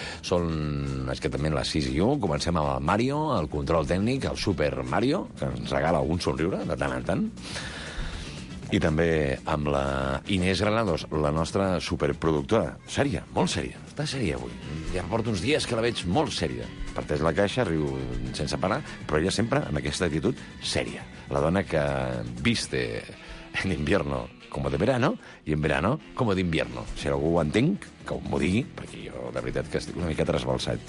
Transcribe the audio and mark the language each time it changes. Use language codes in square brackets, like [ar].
[ca] Són exactament les 6 i 1. Comencem amb el Mario, el control tècnic, el Super Mario, que ens regala un somriure de tant en tant. I també amb la Inés Granados, la nostra superproductora. Sèria, molt sèria. Està sèria avui. Ja porto uns dies que la veig molt sèria. Parteix la caixa, riu sense parar, però ella sempre amb aquesta actitud sèria. [es] La dona que viste en invierno como de verano y en verano como de invierno. [ca] Si algú ho entenc, que m'ho digui, perquè jo de veritat que estic una mica trasbalsat.